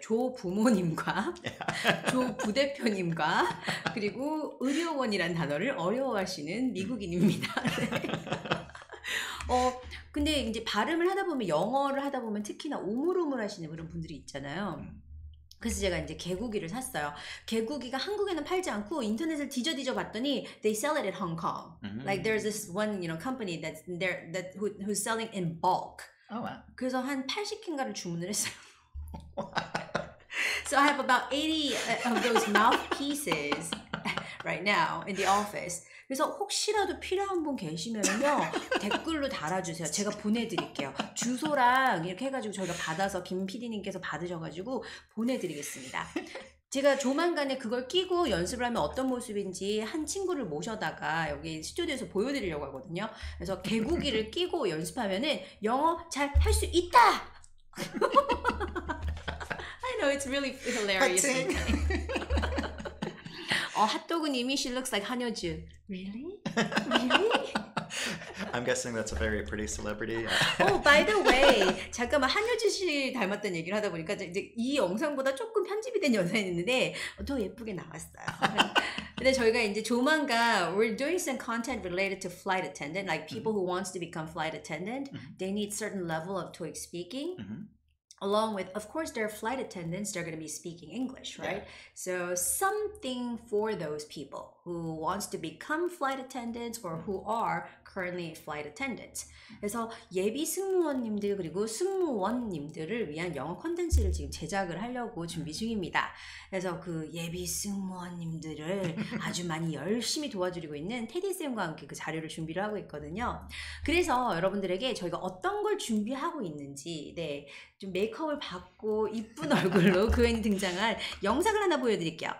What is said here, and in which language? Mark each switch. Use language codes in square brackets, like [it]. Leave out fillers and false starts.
[ko] 조 부모님과 조 부대표님과 그리고 의료원이란 단어를 어려워하시는 미국인입니다. 근데 이제 발음을 하다 보면 영어를 하다 보면 특히나 오물오물 하시는 그런 분들이 있잖아요. 그래서 제가 이제 개구기를 샀어요. 개구기가 한국에는 팔지 않고 인터넷을 뒤져 봤더니 [en] they sell it in Hong Kong. Mm-hmm. Like there's this one, you know, company that's there that who's selling in bulk. Oh wow. [ko] 그래서 한 80킨가를 주문을 했어요. [en] So I have about 80 of those mouthpieces right now in the office. [ko] 그래서 혹시라도 필요한 분 계시면요 댓글로 달아주세요. 제가 보내드릴게요. 주소랑 이렇게 해가지고 저희가 받아서 김 PD님께서 받으셔가지고 보내드리겠습니다. 제가 조만간에 그걸 끼고 연습을 하면 어떤 모습인지 한 친구를 모셔다가 여기 스튜디오에서 보여드리려고 하거든요. 그래서 개구기를 끼고 연습하면은 영어 잘 할 수 있다. [en] I know it's really hilarious. 핫도그님이 she looks like 한효주. Really? I'm guessing that's a very pretty celebrity. Oh, by the way, [ko] 잠깐만 한효주 씨 닮았던 얘기를 하다 보니까 이제 이 영상보다 조금 편집이 된 영상인데 더 예쁘게 나왔어요. 근데 저희가 이제 조만간 [en] we're doing some content related to flight attendant, like people mm-hmm. who wants to become flight attendant, mm-hmm. they need certain level of TOEIC speaking. Mm-hmm. Along with, of course, their flight attendants, they're going to be speaking English, right? Yeah. So something for those people. who wants to become flight attendants or who are currently flight attendants. [ko] 그래서 예비 승무원님들 그리고 승무원님들을 위한 영어 콘텐츠를 지금 제작을 하려고 준비 중입니다. 그래서 그 예비 승무원님들을 아주 많이 열심히 도와드리고 있는 테디쌤과 함께 그 자료를 준비를 하고 있거든요. 그래서 여러분들에게 저희가 어떤 걸 준비하고 있는지 네, 좀 메이크업을 받고 이쁜 얼굴로 그웬이 등장한 영상을 하나 보여드릴게요.